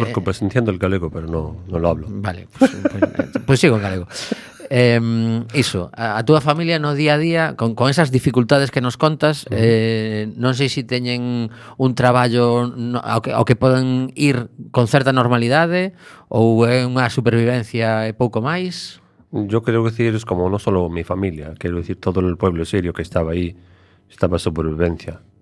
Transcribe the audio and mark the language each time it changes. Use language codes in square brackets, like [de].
[es] Pues entiendo el galego, pero no lo hablo. [gl] Vale, pues sigo en galego. Iso, a túa familia no día a día, con esas dificultades que nos contas, non sei se teñen un traballo ao que poden ir con certa normalidade ou é unha supervivencia e pouco máis. [es] Yo quero decir, es como no solo mi familia, quero decir todo el pueblo sirio que estaba ahí, estaba supervivencia.